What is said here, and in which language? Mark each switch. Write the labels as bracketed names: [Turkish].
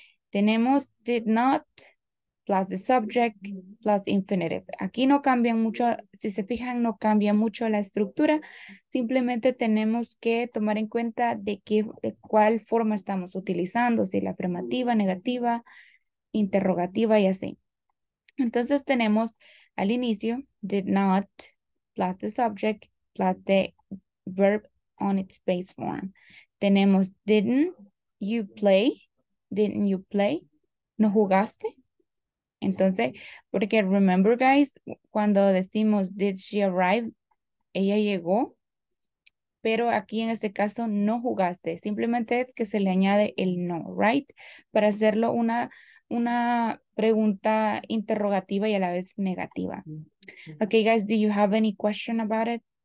[English] Tenemos did not plus the subject plus infinitive. [Spanish] Aquí no cambian mucho, si se fijan, no cambia mucho la estructura. Simplemente tenemos que tomar en cuenta de cuál forma estamos utilizando. Si la afirmativa, negativa, interrogativa y así. Entonces tenemos al inicio [English] did not plus the subject plus the verb on its base form. [Spanish] Tenemos [English] didn't you play, [Spanish] no jugaste. Entonces, porque [English] remember guys, [Spanish] cuando decimos [English] did she arrive, [Spanish] ella llegó, pero aquí en este caso no jugaste, simplemente es que se le añade el no, right, para hacerlo una pregunta interrogativa y a la vez negativa. [English] Okay, guys, do you have any question about it?